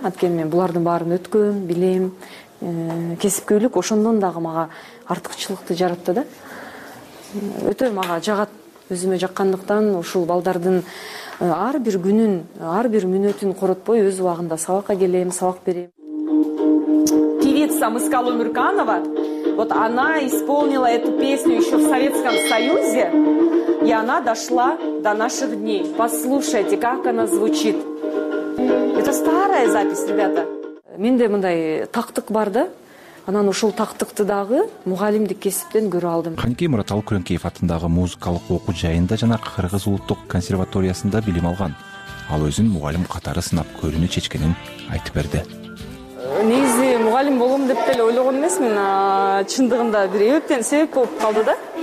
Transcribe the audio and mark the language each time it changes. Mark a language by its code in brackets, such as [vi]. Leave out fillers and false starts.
[ky] Анткени мен булардын баарын өткөм, билем. Кесипкөйлүк ошондон дагы мага артыкчылыкты жаратты да. Өтө мага жагат, өзүмө жаккандыктан ушул балдардын ар бир күнүн, ар бир мүнөтүн коротпой өз убагында сабакка келем, сабак берем. [ru] Певица Мыскалы Мүрканова. Вот она исполнила эту песню еще в Советском Союзе, и она дошла до наших дней. Послушайте, как она звучит. Это старая запись, ребята. [ky] Менде мындай тактык бар да. Анан ушул тактыкты дагы мугалимдик кесиптен көрө алдым. Каныкей Муратал Күрөнкеев атындагы музыкалык окуу жайында жана Кыргыз улуттук консерваториясында билим алган. Ал өзүн мугалим катары сынап көрүүнү чечкенин айтып берди. Негизи мугалим болом деп деле ойлогон эмесмин, чындыгында бир эптен себеп болуп калды да.